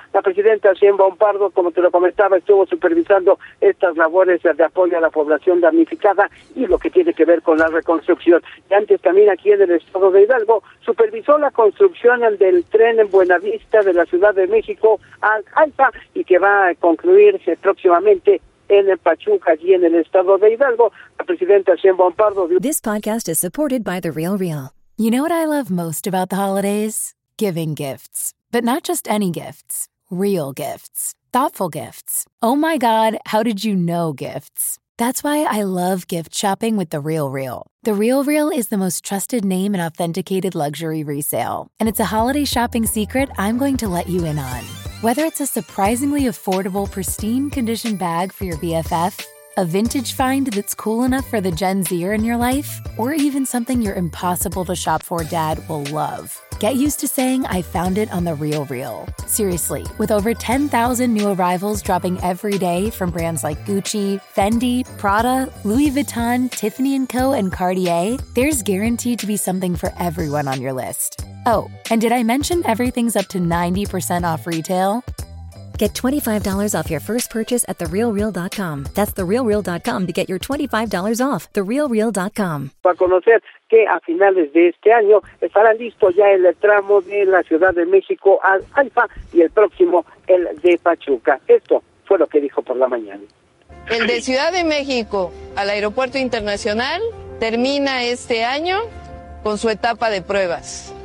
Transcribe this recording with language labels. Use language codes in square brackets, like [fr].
[es] La presidenta Sheinbaum Pardo, como te lo comentaba, estuvo supervisando estas labores de apoyo a la población damnificada y lo que tiene que ver con la reconstrucción. Y antes también aquí en el estado de Hidalgo supervisó la construcción del tren en Buenavista de la Ciudad de México al Alfa y que va a concluirse próximamente en el Pachuca, allí en el estado de Hidalgo. La presidenta Sheinbaum Pardo. [en] This podcast is supported by The Real Real. You know what I love most about the holidays? Giving gifts. But not just any gifts. Real gifts. Thoughtful gifts. Oh my God, how did you know gifts? That's why I love gift shopping with The Real Real. The Real Real is the most trusted name in authenticated luxury resale. And it's a holiday shopping secret I'm going to let you in on. Whether it's a surprisingly affordable, pristine condition bag for your BFF, a vintage find that's cool enough for the Gen Zer in your life, or even something your impossible to shop for dad will love. Get used to saying, I found it on The Real Real. Seriously, with over 10,000 new arrivals dropping every day from brands like Gucci, Fendi, Prada, Louis Vuitton, Tiffany & Co., and Cartier, there's guaranteed to be something for everyone on your list. Oh, and did I mention everything's up to 90% off retail? Get $25 off your first purchase at TheRealReal.com. That's TheRealReal.com to get your $25 off. TheRealReal.com. [es] Para conocer que a finales de este año estará listo ya el tramo de la Ciudad de México al Alfa y el próximo el de Pachuca. Esto fue lo que dijo por la mañana. El de Ciudad de México al Aeropuerto Internacional termina este año con su etapa de pruebas.